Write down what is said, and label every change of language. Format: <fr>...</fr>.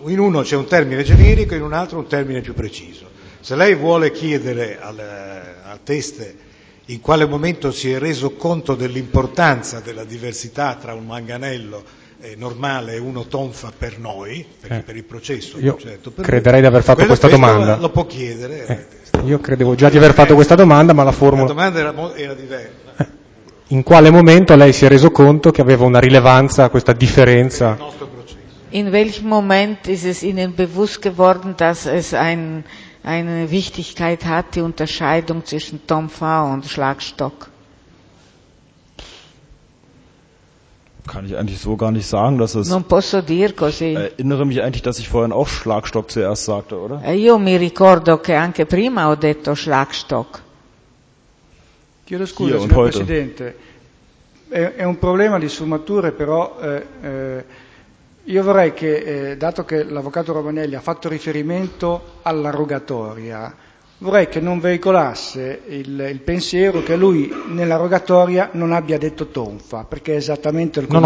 <it>In uno c'è un termine generico, in un altro un termine più preciso. Se lei vuole chiedere al test in quale momento si è reso conto dell'importanza della diversità tra un manganello normale uno tonfa per noi, perché per il processo io certo, crederei di aver fatto questa domanda. Lo può chiedere. Io credevo già di aver fatto questa domanda, ma la formula. La domanda era diversa. In quale momento lei si è reso conto che aveva una rilevanza questa differenza? Il nostro processo.</it> <de>In welchem Moment ist es Ihnen bewusst geworden, dass es eine Wichtigkeit hat, die Unterscheidung zwischen Tonfa und Schlagstock? Kann ich eigentlich so gar nicht sagen, dass es.</de> <it>Non posso dir così.</it> <de>Ich erinnere mich eigentlich, dass ich vorhin auch Schlagstock zuerst sagte, oder?</de> <it>Io mi ricordo che anche prima ho detto Schlagstock. Chiedo scusa, signor Presidente. È un problema di sfumature, però io vorrei che, dato che l'avvocato Romanelli ha fatto riferimento alla rogatoria, vorrei che non veicolasse il pensiero che lui nella rogatoria non abbia detto tonfa, perché è esattamente il contrario.</it>